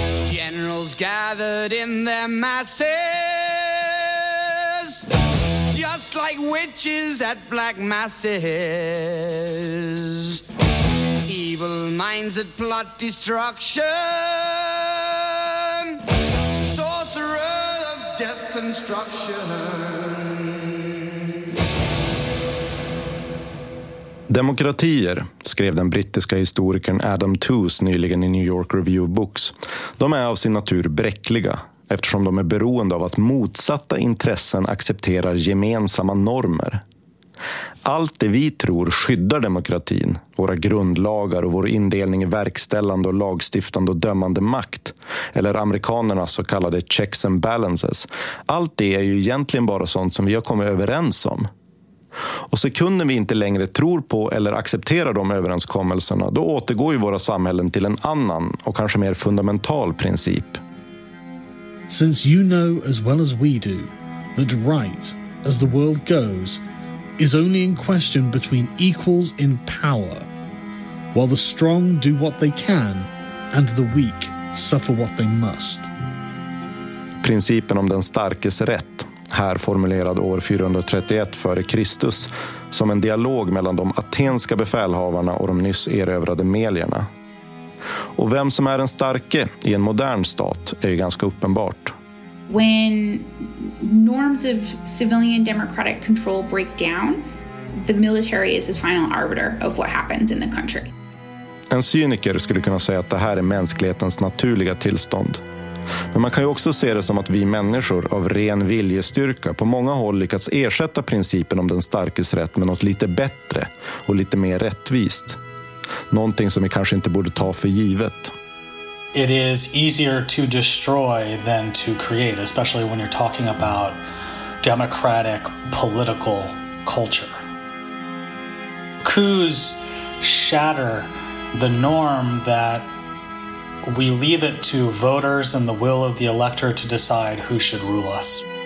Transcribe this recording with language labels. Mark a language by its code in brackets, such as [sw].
[en] Generals gathered in their masses, just like witches at black masses. Evil minds that plot destruction, sorcerer of death's construction. [sv] Demokratier, skrev den brittiska historikern Adam Tooze nyligen i New York Review of Books, de är av sin natur bräckliga eftersom de är beroende av att motsatta intressen accepterar gemensamma normer. Allt det vi tror skyddar demokratin, våra grundlagar och vår indelning i verkställande och lagstiftande och dömande makt, eller amerikanernas så kallade [en] checks and balances, [sv] allt det är ju egentligen bara sånt som vi har kommit överens om. Och sekunden vi inte längre tror på eller accepterar de överenskommelserna, då återgår ju våra samhällen till en annan och kanske mer fundamental princip. [en] Since you know as well as we do that right, as the world goes, is only in question between equals in power, while the strong do what they can and the weak suffer what they must. [sv] Principen om den starkes rätt, här formulerad år 431 före Kristus som en dialog mellan de atenska befälhavarna och de nyss erövrade melierna. Och vem som är en starke i en modern stat är ju ganska uppenbart. [en] When norms of civilian democratic control break down, the military is the final arbiter of what happens in the country. [sv] En cyniker skulle kunna säga att det här är mänsklighetens naturliga tillstånd. Men man kan ju också se det som att vi människor av ren viljestyrka på många håll lyckats ersätta principen om den starkes rätt med något lite bättre och lite mer rättvist. Någonting som vi kanske inte borde ta för givet. [en] It is easier to destroy than to create, especially when you're talking about democratic political culture. Coups shatter the norm that we leave it to voters and the will of the elector to decide who should rule us.